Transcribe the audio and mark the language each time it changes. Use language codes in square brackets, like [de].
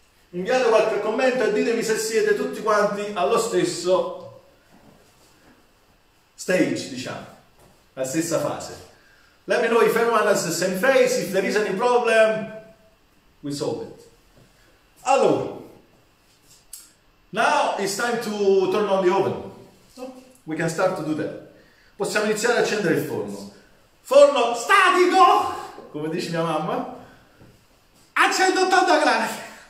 [it] Inviate qualche commento e ditemi se siete tutti quanti allo stesso stage, diciamo, la stessa fase. [en] Let me know if everyone has the same phase, if there is any problem, we solve it. Allora, now it's time to turn on the oven. We can start to do that. [it] Possiamo iniziare a accendere il forno. Forno statico, come dice mia mamma, a 180 gradi.